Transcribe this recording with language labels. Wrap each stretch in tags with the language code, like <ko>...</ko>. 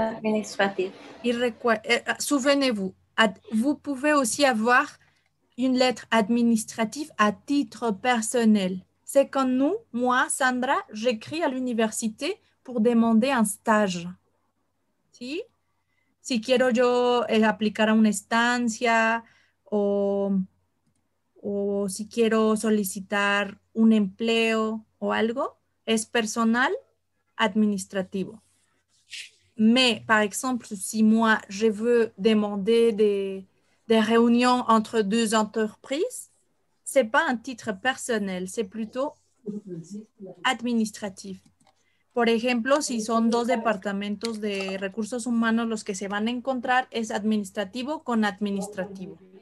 <fr>Administrative. Souvenez-vous. Vous pouvez aussi avoir une lettre administrative à titre personnel. C'est quand nous, moi, Sandra, j'écris à l'université pour demander un stage.</fr> <es>¿Sí? Si quiero yo aplicar a una estancia o si quiero solicitar un empleo o algo, es personal administrativo.</es> <fr>Mais, par exemple, si moi, je veux demander des réunions entre deux entreprises, ce n'est pas un titre personnel, c'est plutôt administratif.</fr> <es>Por ejemplo, si son dos departamentos de recursos humanos los que se van a encontrar, es administrativo con administrativo.</es>